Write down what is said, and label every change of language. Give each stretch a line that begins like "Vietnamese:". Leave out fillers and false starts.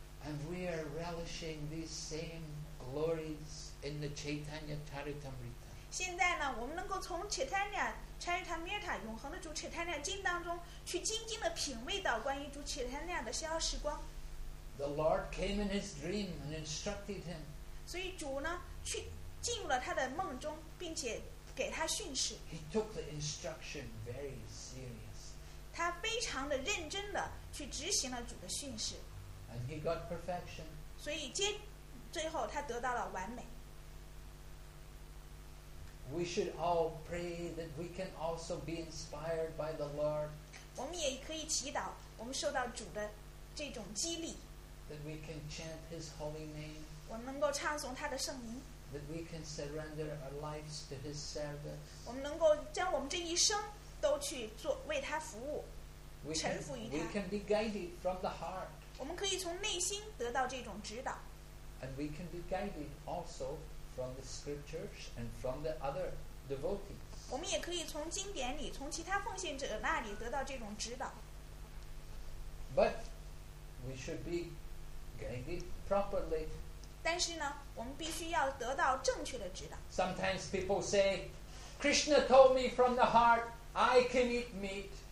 English: And we are relishing these same glories in the Chaitanya Charitamrita.
Chinese: 现在呢，我们能够从 Chaitanya Charitamrita 永恒的主 Chaitanya 经当中去静静的品味到关于主 Chaitanya 的逍遥时光。
English: The Lord came in his dream and instructed him.
Chinese: 所以主呢，去进入了他的梦中，并且给他训示。
English: He took the instruction very serious.
Chinese: 他非常的认真的去执行了主的训示。
English: And he got perfection.
Chinese: 所以最后他得到了完美。
English: We should all pray that we can also be inspired by the Lord.
Chinese: 我们也可以祈祷，我们受到主的这种激励。
English: That we can chant His holy name.
Chinese: 我们能够唱诵他的圣名。
English: That we can surrender our lives to His service.
Chinese: 我们能够将我们这一生都去做为他服务，臣服于他。
English: We can be guided from the heart.
Chinese: 我们可以从内心得到这种指导
English: and we can be guided also from the scriptures and from the other devotees
Chinese: 我们也可以从经典里从其他奉献者那里得到这种指导
English: but we should be guided properly
Chinese: 但是呢我们必须要得到正确的指导
English: sometimes people say Krishna told me from the heart I can eat meat